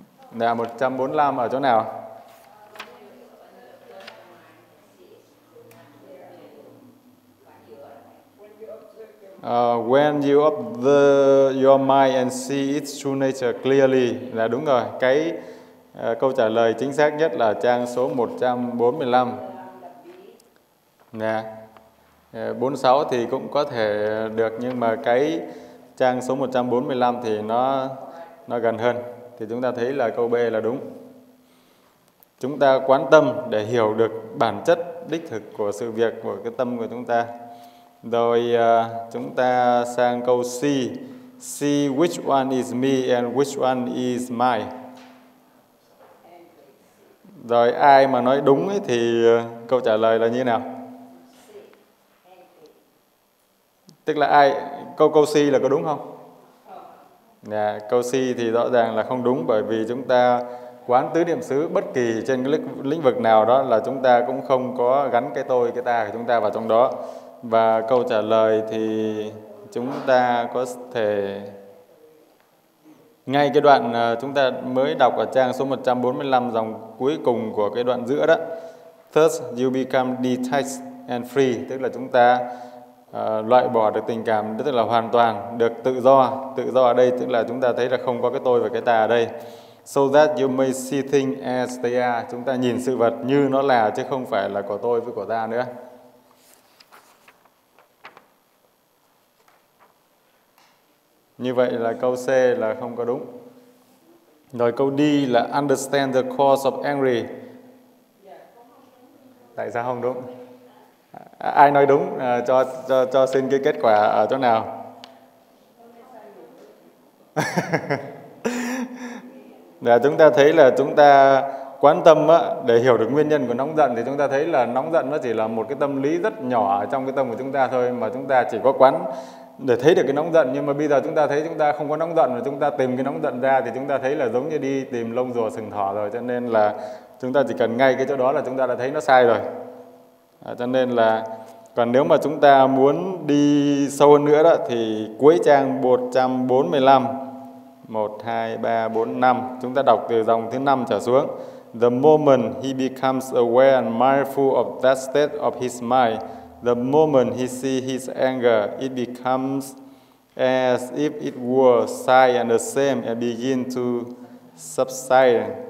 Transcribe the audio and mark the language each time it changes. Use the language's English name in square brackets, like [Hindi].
[Vietnamese] Đã 145 ở chỗ nào? [English] When you observe your mind and see its true nature clearly. [Vietnamese] Đã đúng rồi. Cái câu trả lời chính xác nhất là trang số 145. Nè. 46 thì cũng có thể được, nhưng mà cái trang số 145 thì nó gần hơn. Thì chúng ta thấy là câu B là đúng. Chúng ta quan tâm để hiểu được bản chất đích thực của sự việc, của cái tâm của chúng ta. Rồi chúng ta sang câu C. [English] see which one is me and which one is mine. [Vietnamese] Rồi ai mà nói đúng ấy, thì câu trả lời là như thế nào? Tức là ai? Câu C là có đúng không? Yeah, câu C thì rõ ràng là không đúng, bởi vì chúng ta quán tứ niệm xứ bất kỳ trên cái lĩnh vực nào đó là chúng ta cũng không có gắn cái tôi, cái ta của chúng ta vào trong đó. Và câu trả lời thì chúng ta có thể... Ngay cái đoạn chúng ta mới đọc ở trang số 145, dòng cuối cùng của cái đoạn giữa đó. [English] Thus you become detached and free. [Vietnamese] Tức là chúng ta loại bỏ được tình cảm, tức là hoàn toàn được tự do. Tự do ở đây tức là chúng ta thấy là không có cái tôi và cái ta ở đây. [English] So that you may see things as they are. [Vietnamese] Chúng ta nhìn sự vật như nó là, chứ không phải là của tôi với của ta nữa. Như vậy là câu C là không có đúng. Rồi câu D là [English] understand the cause of angry. [Vietnamese] Tại sao không đúng? Ai nói đúng cho xin cái kết quả ở chỗ nào? Để chúng ta thấy là chúng ta quan tâm á, để hiểu được nguyên nhân của nóng giận, thì chúng ta thấy là nóng giận nó chỉ là một cái tâm lý rất nhỏ trong cái tâm của chúng ta thôi, mà chúng ta chỉ có quán để thấy được cái nóng giận. Nhưng mà bây giờ chúng ta thấy chúng ta không có nóng giận, mà chúng ta tìm cái nóng giận ra, thì chúng ta thấy là giống như đi tìm lông rùa sừng thỏ rồi. Cho nên là chúng ta chỉ cần ngay cái chỗ đó là chúng ta đã thấy nó sai rồi. Cho nên là còn nếu mà chúng ta muốn đi sâu hơn nữa đó, thì cuối trang 145, 1, 2, 3, 4, 5, chúng ta đọc từ dòng thứ 5 trở xuống. [English] The moment he becomes aware and mindful of that state of his mind, the moment he sees his anger, it becomes as if it were sigh and the same and begin to subside.